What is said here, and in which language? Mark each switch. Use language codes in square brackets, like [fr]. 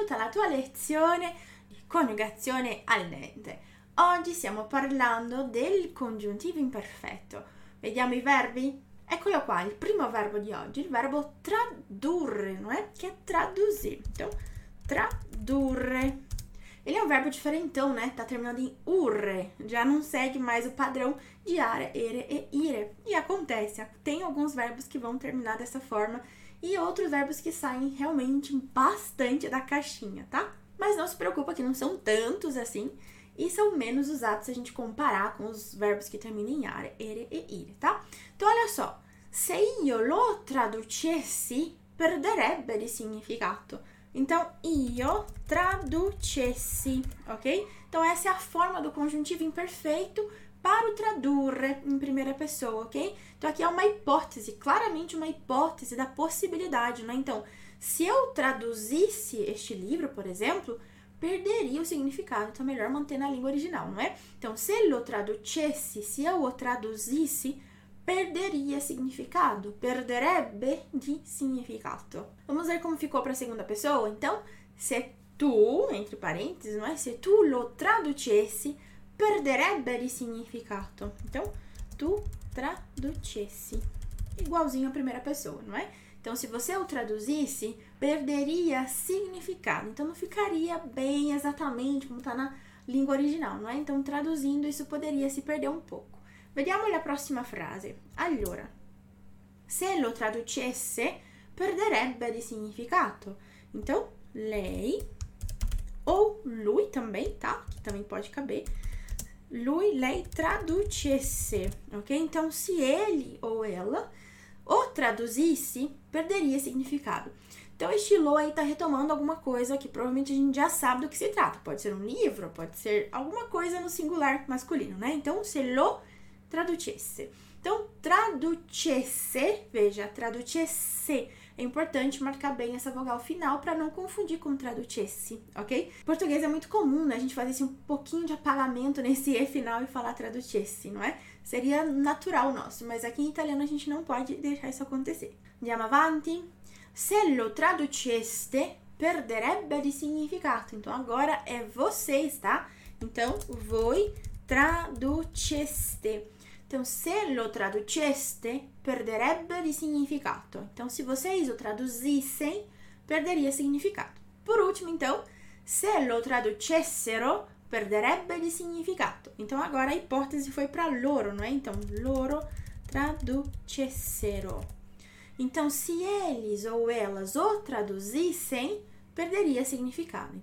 [it] tua lezione di coniugazione al dente. Oggi stiamo parlando del congiuntivo imperfetto. Vediamo i verbi? Eccolo qua, il primo verbo di oggi, il verbo tradurre, non è? Che è tradusito. Tradurre. [pt] Ele é um verbo diferente, né? Tá terminando em urre. Já não segue mais o padrão de are, ere e ire. E acontece, tem alguns verbos que vão terminar dessa forma e outros verbos que saem realmente bastante da caixinha, tá? Mas não se preocupa que não são tantos assim e são menos usados se a gente comparar com os verbos que terminam em are, ere e ire, tá? Então, olha só. [it] Se io lo traducessi, perderebbe di significato. [pt] Então, [it] io traducessi, [pt] ok? Então, essa é a forma do conjuntivo imperfeito para o tradurre em primeira pessoa, ok? Então, aqui é uma hipótese, claramente uma hipótese da possibilidade, né? Então, se eu traduzisse este livro, por exemplo, perderia o significado. Então, é melhor manter na língua original, não é? Então, [it] se lo traducessi, [pt] se eu o traduzisse, perderia significado, [it] perderebbe di significato. [pt] Vamos ver como ficou para a segunda pessoa? Então, se tu, entre parênteses, não é? [it] Se tu lo traducessi, perderebbe di significato. [pt] Então, [it] tu traducessi. [pt] Igualzinho a primeira pessoa, não é? Então, se você o traduzisse, perderia significado. Então, não ficaria bem exatamente como está na língua original, não é? Então, traduzindo, isso poderia se perder um pouco. [it] Vediamo la prossima frase. Allora, se lo traducesse, perderebbe di significato. [pt] Então, lei, ou lui também, tá? Que também pode caber. [it] Lui, lei traducesse, [pt] ok? Então, se ele ou ela o traduzisse, perderia significado. Então, este lo aí tá retomando alguma coisa que provavelmente a gente já sabe do que se trata. Pode ser um livro, pode ser alguma coisa no singular masculino, né? Então, [it] se lo traducesse. [pt] Então, traducesse, veja, traducesse. É importante marcar bem essa vogal final para não confundir com traducesse, ok? Português é muito comum, né? A gente fazer assim, um pouquinho de apagamento nesse E final e falar traducesse, não é? Seria natural nosso, mas aqui em italiano a gente não pode deixar isso acontecer. [it] Andiamo avanti. Se lo traduceste, perderebbe di significato. [pt] Então, agora é vocês, tá? Então, [it] voi traduceste. Então, se lo traduceste, perderebbe di significato. [pt] Então, se vocês o traduzissem, perderia significado. Por último, então, [it] se lo traducessero, perderebbe di significato. [pt] Então, agora a hipótese foi para loro, não é? Então, [it] loro traducessero. [pt] Então, se eles ou elas o traduzissem, perderia significado.